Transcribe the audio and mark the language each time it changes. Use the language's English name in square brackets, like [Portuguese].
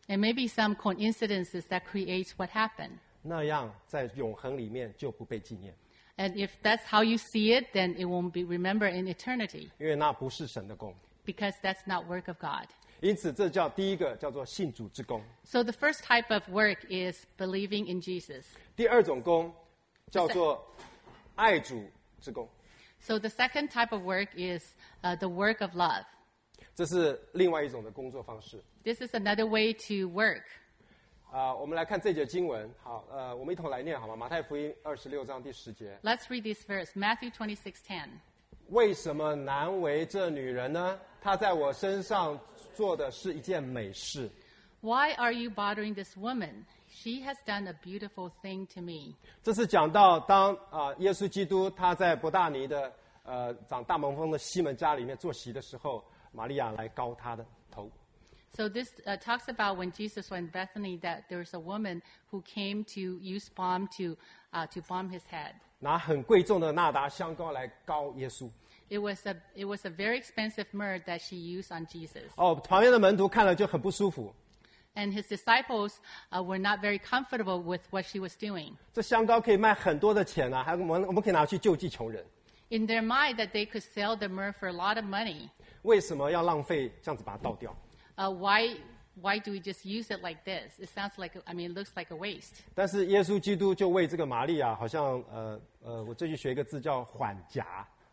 [English] And maybe some coincidences that creates what happened。 [Chinese] 那样在永恒里面就不被纪念。 [English] And if that's how you see it, then it won't be remembered in eternity. [Chinese] 因为那不是神的工。 [English] Because that's not work of God. [Chinese] 因此，这叫第一个叫做信主之工。 [English] So the first type of work is believing in Jesus. [Chinese] 第二种工叫做爱主之工。 [English] So the second type of work is the work of love. [Chinese] 这是另外一种的工作方式。 [English] This is another way to work. [Chinese] 我们来看这节经文。好，我们一同来念好吗？马太福音二十六章第十节。 [English] Let's read this verse, Matthew 26:10. [Chinese] 为什么难为这女人呢？她在我身上做的是一件美事。 [English] Why are you bothering this woman? She has done a beautiful thing to me. [Chinese] 这是讲到当耶稣基督他在伯大尼的长大麻风的西门家里面坐席的时候，玛利亚来膏他的头。 [English] So this talks about when Jesus went to Bethany that there was a woman who came to use balm to balm his head. [Chinese] 拿很贵重的纳达香膏来膏耶稣。 [English] It was a very expensive myrrh that she used on Jesus. [Chinese] 哦，旁边的门徒看了就很不舒服。 [English] And his disciples were not very comfortable with what she was doing. [Chinese] 这香膏可以卖很多的钱啊，还我们可以拿去救济穷人。 [English] In their mind that they could sell the myrrh for a lot of money. [Chinese] 为什么要浪费这样子把它倒掉？ [English] Why do we just use it like this? It sounds like, I mean, it looks like a waste. [Chinese] 但是耶稣基督就为这个玛利亚，好像我最近学一个字叫缓颊。